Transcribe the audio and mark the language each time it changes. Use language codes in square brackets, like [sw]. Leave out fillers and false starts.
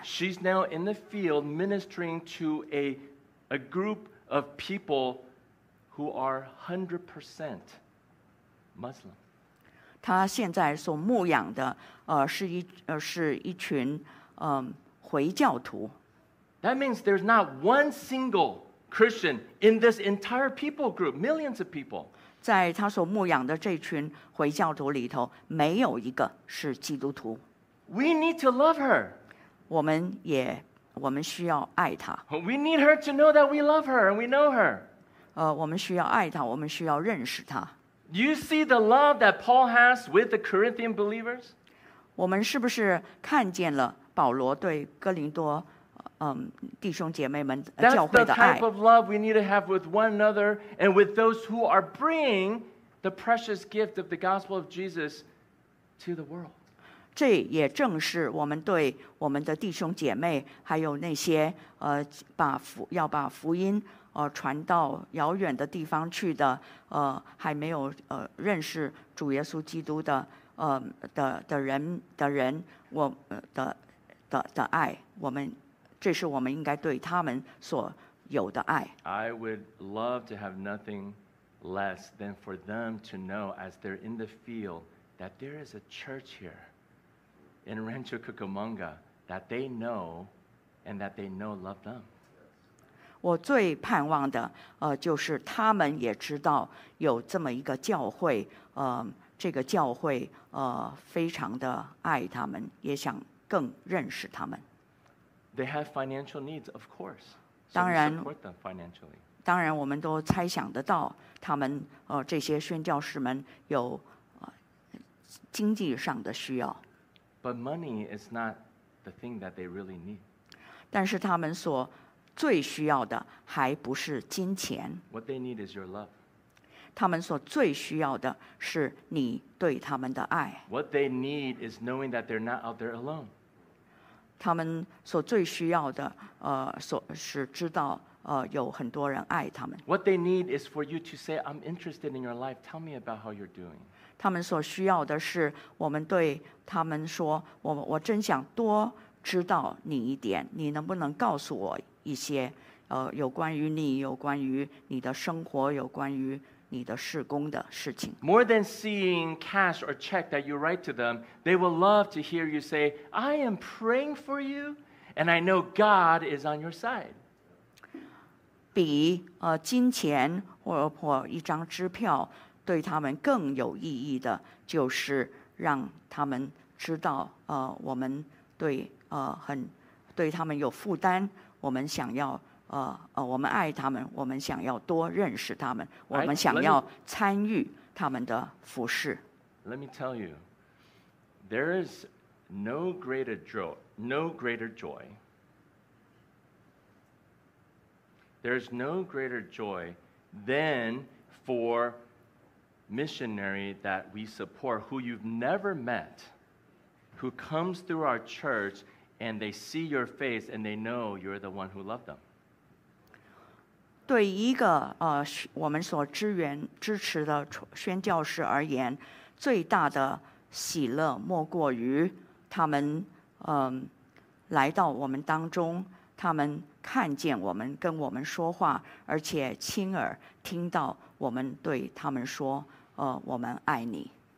[en] She's now in the field ministering to a group of people who are 100% Muslim. [zh] 他现在所牧养的是一群回教徒。 [en] That means there's not one single Christian in this entire people group, millions of people. [zh] 在他所牧养的这群回教徒里头，没有一个是基督徒。 [en] We need to love her. [zh] 我们需要爱她。 [en] We need her to know that we love her and we know her. [zh] 我们需要爱她，我们需要认识她。 [en] Do you see the love that Paul has with the Corinthian believers? [zh] 我们是不是看见了保罗对哥林多弟兄姐妹们教会的爱？ [en] That's the type of love we need to have with one another and with those who are bringing the precious gift of the gospel of Jesus to the world. [zh] 这也正是我们对我们的弟兄姐妹，还有那些要把福音传到遥远的地方去的还没有认识主耶稣基督的人我的爱，我们这是我们应该对他们所有的爱。 [en] I would love to have nothing less than for them to know as they're in the field that there is a church here in Rancho Cucamonga that they know and that they know love them. [zh] 我最盼望的就是他们也知道有这么一个教会这个教会非常的爱他们，也想更认识他们。 [en] They have financial needs, of course. So [zh] 当然 [en] we support them financially. [zh] 当然我们都猜想得到他们这些宣教士们有经济上的需要。 [en] But money is not the thing that they really need. [zh] 但是他们所最需要的还不是金钱。 [en] What they need is your love. [zh] 他们所最需要的是你对他们的爱。 [en] What they need is knowing that they're not out there alone. [zh] 他们所最需要的是知道有很多人爱他们。 [en] What they need is for you to say, I'm interested in your life. Tell me about how you're doing. [zh] 他们所需要的是我们对他们说 我真想多知道你一点，你能不能告诉我一些有关于你，有关于你的生活，有关于你的事工的事情。 [en] More than seeing cash or check that you write to them, they will love to hear you say, I am praying for you, and I know God is on your side. [zh] 比金钱或一张支票对他们更有意义的，就是让他们知道我们对很对他们有负担。我们想要我们爱他们，我们想要多认识他们，我们想要参与他们的服事。 [en] Let me tell you, there is no greater joy. There is no greater joy than for missionary that we support who you've never met, who comes through our church. And they see your face, and they know you're the one who loved them. [zh] 对一个我们所支持的宣教士而言，最大的喜乐莫过于他们来到我们当中，他们看见我们，跟我们说话，而且亲耳听到我们对他们说，我们爱你。